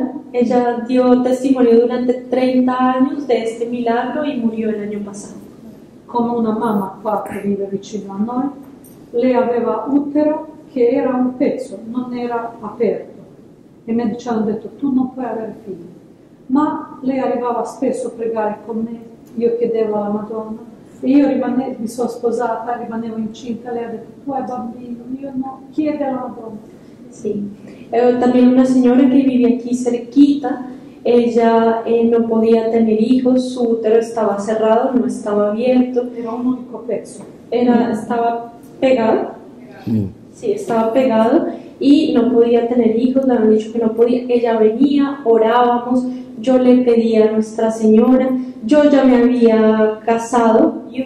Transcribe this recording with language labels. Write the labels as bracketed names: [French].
[Spanish] Ella dio testimonio durante 30 años de este milagro y murió el año pasado. [Italian] Come una mamma qua che vive vicino a noi, lei aveva utero che era un pezzo, non era aperto. E i medici hanno detto, tu non puoi avere figli. Ma lei arrivava spesso a pregare con me, io chiedevo alla Madonna, e io mi sono sposata, rimanevo incinta, lei ha detto, tu hai bambino, io no, chiede alla Madonna. Sì, e anche una signora che vive qui cerquita. [Spanish] Ella no podía tener hijos, su útero estaba cerrado, no estaba abierto. [Italian] Era un único pezzo. [Spanish] Estaba pegado. Sí, estaba pegado y no podía tener hijos, le han dicho que no podía. Ella venía, orábamos, yo le pedí a Nuestra Señora, yo ya me había casado.